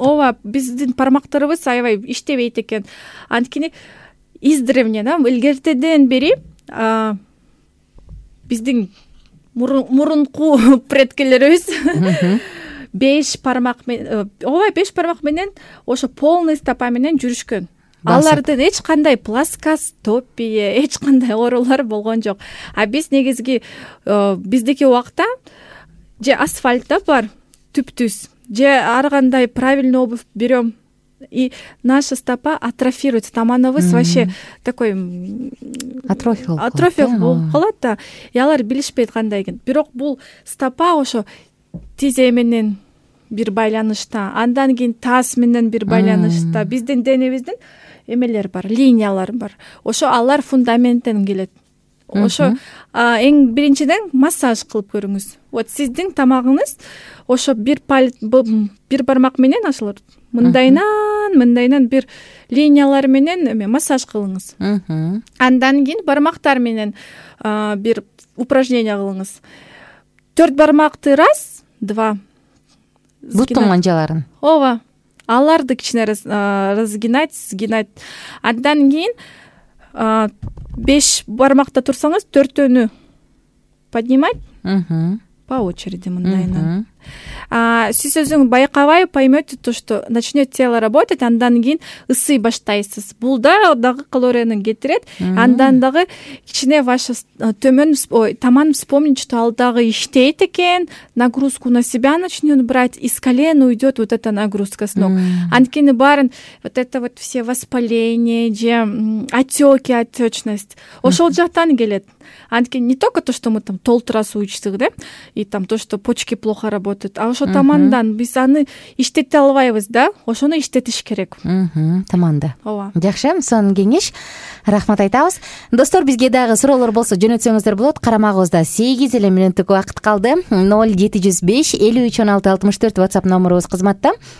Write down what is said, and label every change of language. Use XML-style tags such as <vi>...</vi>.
<ky>Ооба, биздин бармактарыбыз аябай иштебейт экен. Анткени</ky> <ru>из древнего,</ru> <ky>илгертеден бери биздин мурунку предкелерибиз 5 бармак менен, ооба, 5 бармак менен ошо полный стапа менен жүрүшкөн. Алардын эч кандай пласкостопия, эч кандай оорулар болгон жок. А биз негизги биздики убакта же асфальтта бар түптүз, же ар кандай правильный обувь берем,</ky> <ru>и наша стопа атрофируется,</ru> <ky>таманыбыз вообще такой атрофия болуп калат да. И алар билишпейт кандай экен. Бирок бул стопа ошо тизе менен бир байланышта, андан кийин таз менен бир байланышта. Биздин денебиздин эмелер бар, линиялар бар, ошо алар фундаменттен келет. Ошо эң биринчиден массаж кылып көрүңүз. Вот сиздин тамагыңыз ошо бир бир бармак менен ашылат. Мындайынан, мындайынан бир линиялар менен эме массаж кылыңыз. Андан кийин бармактар менен бир упражнение кылыңыз. 4 бармакты раз, 2. Бутун манжаларын. Ооба. Аларды кичине разгинать, сгинать. Андан кийин 5 бармакта турсаңыз 4-өнү поднимать.</ky> <ru>По очереди</ru> <ky>мындайынан. Сиз өзүң байкабай</ky> <ru>поймете то, что начнет тело работать,</ru> <ky>андан кийин ысый баштайсыз. Бул дагы калорияны кетирет. Андан дагы кичине</ky> <ru>ваша</ru> <ky>төмөн таман</ky> <ru>вспомнит, что</ru> <ky>ал дагы иштейт экен,</ky> <ru>нагрузку на себя начнет брать, из колена уйдет вот эта нагрузка с ног.</ru> <ky>Анткени баарын</ky> <ru>вот это вот все воспаление, же отеки, отечность.</ru> <ky>Ошол жактан келет. Анткени</ky> <ru>не только то, что мы там</ru> <ky>толтура суу ичтик, да?</ky> <ru>И там то, что почки плохо работают.</ru> <ky>А ошо тамандан биз аны иштете албайбыз да, ошону иштетиш керек. Таманды. Ооба. Жакшы, сонун кеңеш. рахмат айтабыз. Достор, бизге дагы суроолор болсо жөнөтсөңүздөр болот. Карамагыбызда 8 эле мүнөттүк убакыт калды. 0705-5316-64 WhatsApp номерибиз кызматта.</ky>